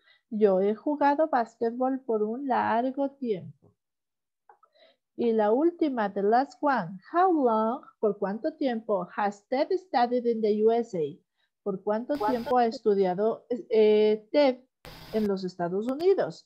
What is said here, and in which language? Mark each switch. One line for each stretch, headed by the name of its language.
Spanish: Yo he jugado basketball por un largo tiempo. Y la última, the last one.
English: How long, por cuánto tiempo, has Ted studied in the USA?
Spanish: ¿Por cuánto tiempo ha estudiado Ted en los Estados Unidos?